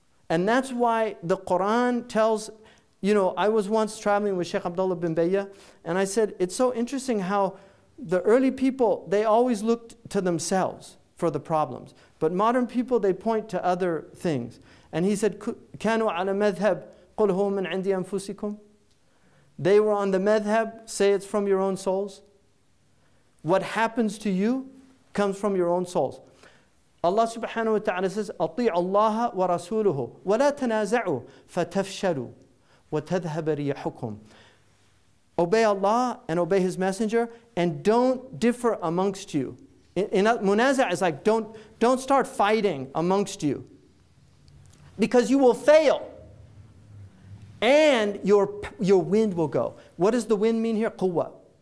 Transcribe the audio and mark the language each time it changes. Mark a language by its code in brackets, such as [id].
[en] And that's why the Quran tells, you know, I was once traveling with Sheikh Abdullah bin Bayya, and I said, it's so interesting how the early people, they always looked to themselves for the problems. But modern people, they point to other things. And he said, [ar] كَانُوا عَلَى مَذْهَبْ قُلْ هُوَ مِنْ عِنْدِي أَنفُسِكُمْ. [en] They were on the madhab, say it's from your own souls. What happens to you comes from your own souls. Allah subhanahu wa ta'ala says, [ar] أَطِيعُ اللَّهَ وَرَسُولُهُ وَلَا تَنَازَعُوا فَتَفْشَلُوا وَتَذْهَبَ رِيَحُكُمْ. [en] obey Allah and obey His Messenger, and don't differ amongst you. Munaza'ah is like, don't start fighting amongst you, because you will fail, and your wind will go. What does the wind mean here? Quwwa.